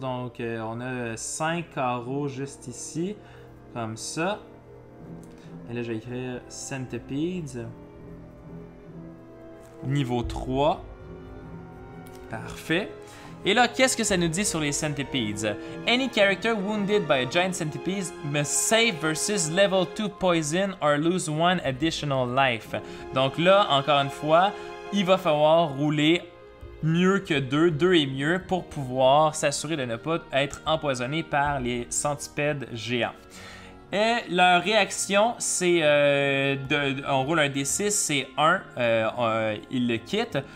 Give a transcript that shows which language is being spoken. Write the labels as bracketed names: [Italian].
[French] Donc on a 5 carreaux juste ici, comme ça. Et là, je vais écrire Centipedes, niveau 3. Parfait. Et là, qu'est-ce que ça nous dit sur les Centipedes? [English] Any character wounded by a giant centipede must save versus level 2 poison or lose one additional life. [French] Donc là, encore une fois, il va falloir rouler mieux que 2, 2 et mieux, pour pouvoir s'assurer de ne pas être empoisonné par les centipèdes géants. Et leur réaction, c'est... on roule un D6, c'est 1, ils le quittent.